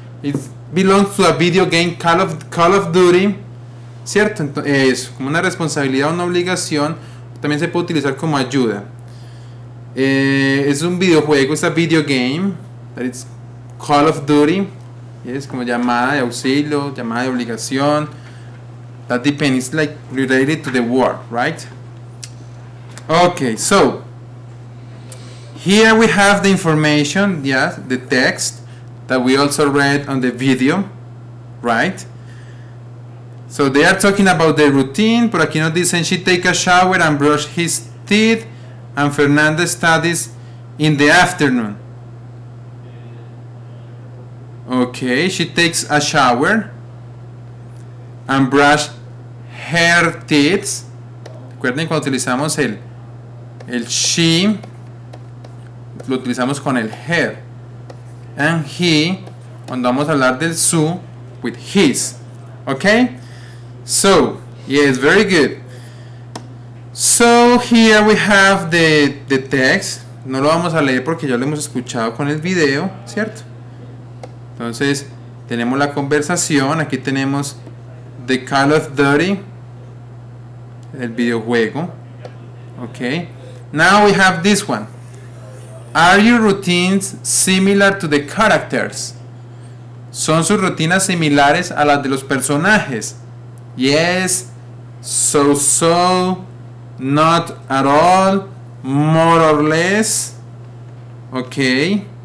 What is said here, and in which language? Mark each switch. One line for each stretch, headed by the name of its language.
English: It belongs to a video game, Call of Duty, ¿cierto?
Spanish: Entonces, es como una responsabilidad, una obligación, también se puede utilizar como ayuda. Es un videojuego, es
English: a video game, that it's
Spanish: call of duty, yes, como llamada de auxilio, llamada de obligación.
English: That depends, like related to the war, right? Okay, so here we have the information, yes, the text that we also read on the video, right? So they are talking about the routine.
Spanish: Por aquí nos dicen
English: she take a shower and brush his teeth, and Fernanda studies in the afternoon. Okay, she takes a shower and brush her teeth.
Spanish: Recuerden cuando utilizamos el she, lo utilizamos con el her.
English: And he,
Spanish: cuando vamos a hablar del su,
English: with his.
Spanish: Okay?
English: So, yes, very good. So, here we have the text.
Spanish: No lo vamos a leer porque ya lo hemos escuchado con el video, ¿cierto? Entonces, tenemos la conversación. Aquí tenemos The Call of Duty, el videojuego. Okay.
English: Now we have this one. Are your routines similar to the characters?
Spanish: ¿Son sus rutinas similares a las de los personajes?
English: Yes, so, so, not at all, more or less, okay.